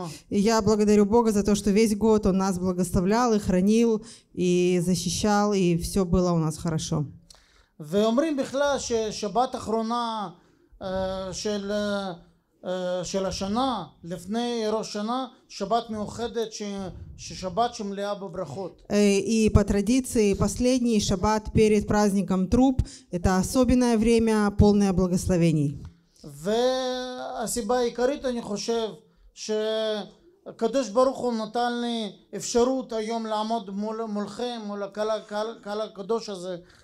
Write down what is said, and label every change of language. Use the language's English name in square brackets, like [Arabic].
[Russian] Я благодарю Бога за то, что весь год Он нас благословлял и хранил, и защищал, и все было у нас хорошо. [Hebrew] ואומרים בכלל ששבת אחרונה של של השנה לפני ראש שנה שבת מיוחדת ששבת שמלאה בברכות. [Russian] И по традиции последний шаббат перед праздником Труб это особенное время, полное благословений. [Hebrew] והסיבה העיקרית אני חושב שקדוש ברוך הוא נתן לי אפשרות היום לעמוד מולכם מול הקהל הקדוש הזה.